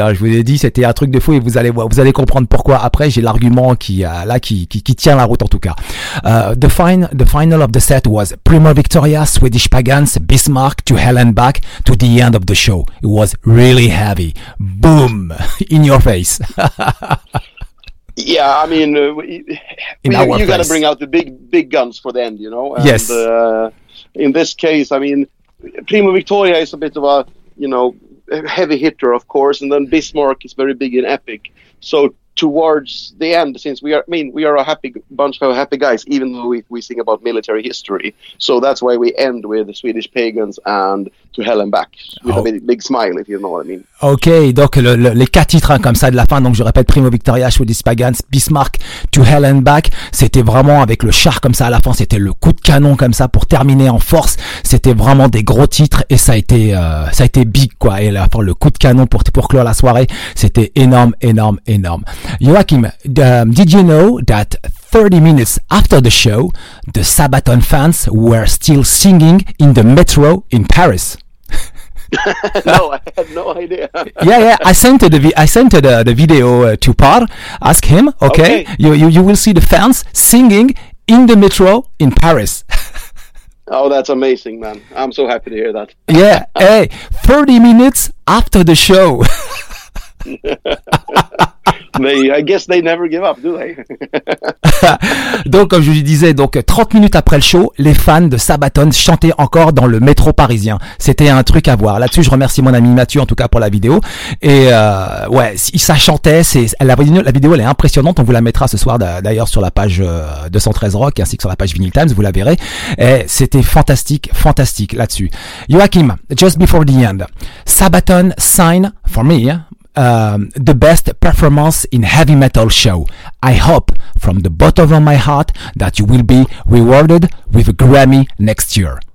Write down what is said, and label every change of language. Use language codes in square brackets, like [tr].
[fr] Hein. Je vous ai dit, c'était un truc de fou. Et vous allez comprendre pourquoi. Après, j'ai l'argument qui tient la route en tout cas. [en] The final of the set was Primo Victoria, Swedish Pagans, Bismarck to Hell and Back to the end of the show. It was really heavy. Boom! In your face. Yeah, I mean, you got to bring out the big guns for the end, you know. And, yes. In this case, I mean, Primo Victoria is a bit of a, you know, heavy hitter, of course, and then Bismarck is very big and epic. So towards the end, since we are a happy bunch of happy guys, even though we sing about military history, so that's why we end with the Swedish Pagans and To Hell and Back with a big smile, if you know what I mean. Okay, donc les quatre titres hein, comme ça de la fin, donc je répète, Primo Victoria, Swedish Pagans, Bismarck, To Hell and Back, c'était vraiment avec le char comme ça à la fin, c'était le coup de canon comme ça pour terminer en force, c'était vraiment des gros titres et ça a été big quoi, et là, enfin, le coup de canon pour clore la soirée, c'était énorme, énorme, énorme. Joachim, did you know that 30 minutes after the show, the Sabaton fans were still singing in the metro in Paris? No, I had no idea. Yeah, I sent the video to Par. Ask him, okay? You will see the fans singing in the metro in Paris. Oh, that's amazing, man. I'm so happy to hear that. Yeah, hey, 30 minutes after the show. I guess they never give up, do they? [fr] Donc, comme je lui disais, donc 30 minutes après le show, les fans de Sabaton chantaient encore dans le métro parisien. C'était un truc à voir. Là-dessus, je remercie mon ami Mathieu, en tout cas, pour la vidéo. Et ça chantait. La vidéo, elle est impressionnante. On vous la mettra ce soir, d'ailleurs, sur la page 213 Rock, ainsi que sur la page Vinyl Times. Vous la verrez. Et c'était fantastique, fantastique là-dessus. [en] Joachim, just before the end, Sabaton sign for me. The best performance in heavy metal show. I hope from the bottom of my heart that you will be rewarded with a Grammy next year.